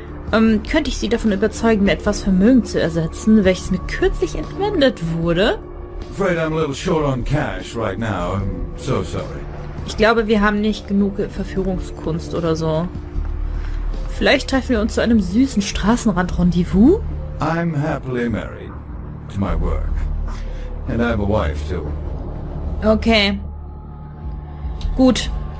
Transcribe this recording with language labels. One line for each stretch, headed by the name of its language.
German: Könnte ich Sie davon überzeugen, mir etwas Vermögen zu ersetzen, welches mir kürzlich entwendet wurde?
English: Afraid I'm a little short on cash right now. I'm so sorry.
German: Ich glaube, wir haben nicht genug Verführungskunst oder so. Vielleicht treffen wir uns zu einem süßen Straßenrand-Rendezvous?
English: I'm happily married to my work. And I have a wife too.
German: Okay. Gut.